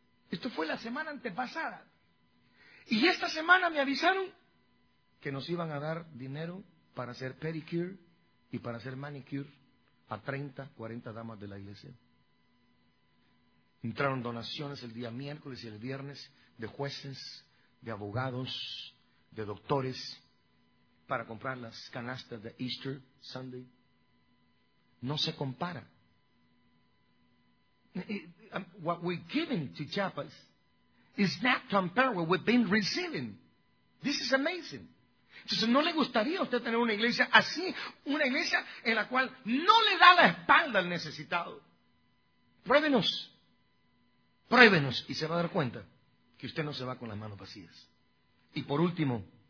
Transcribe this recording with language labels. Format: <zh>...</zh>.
<es>Esto fue la semana antepasada. Y esta semana me avisaron que nos iban a dar dinero para hacer pedicure y para hacer manicure a 30, 40 damas de la iglesia. Entraron donaciones el día miércoles y el viernes de jueces, de abogados, de doctores, para comprar las canastas de Easter Sunday. No se compara.</es> <en>What we're giving to Chiapas is not compared with what we've been receiving. This is amazing.</en> <es>Entonces, ¿no le gustaría a usted tener una iglesia así? Una iglesia en la cual no le da la espalda al necesitado. Pruébenos. Pruébenos y se va a dar cuenta que usted no se va con las manos vacías. Y por último,</es>